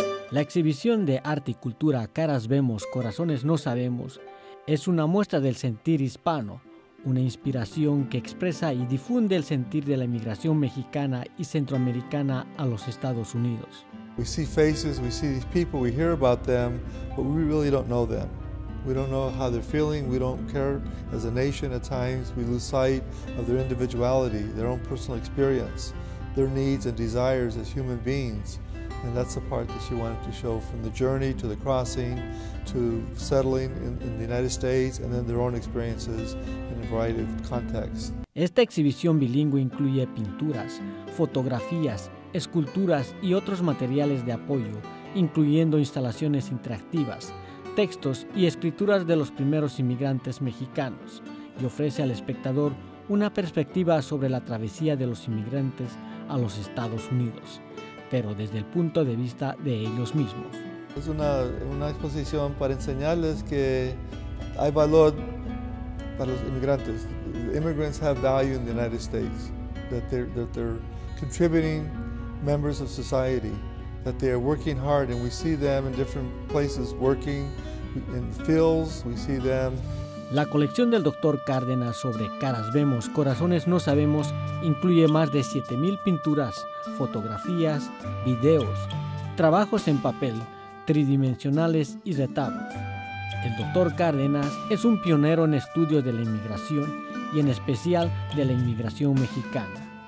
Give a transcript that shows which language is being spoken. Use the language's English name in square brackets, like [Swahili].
[Spanish] La exhibición de arte y cultura Caras Vemos, Corazones No Sabemos es una muestra del sentir hispano, una inspiración que expresa y difunde el sentir de la inmigración mexicana y centroamericana a los Estados Unidos. [English] We see faces, we see these people, we hear about them, but we really don't know them. We don't know how they're feeling, we don't care as a nation at times, we lose sight of their individuality, their own personal experience, their needs and desires as human beings. And that's the part that she wanted to show from the journey to the crossing to settling in the United States and then their own experiences in a variety of contexts. [Spanish] Esta exhibición bilingüe incluye pinturas, fotografías, esculturas y otros materiales de apoyo, incluyendo instalaciones interactivas, textos y escrituras de los primeros inmigrantes mexicanos, y ofrece al espectador una perspectiva sobre la travesía de los inmigrantes a los Estados Unidos, pero desde el punto de vista de ellos mismos. Es una exposición para enseñarles que hay valor para los inmigrantes. [English] Immigrants have value in the United States, that they're contributing members of society, that they are working hard, and we see them in different places working in fields, we see them. [Spanish] La colección del Dr. Cárdenas sobre Caras Vemos, Corazones No Sabemos incluye más de 7,000 pinturas, fotografías, videos, trabajos en papel, tridimensionales y retablos. El Dr. Cárdenas es un pionero en estudios de la inmigración y en especial de la inmigración mexicana.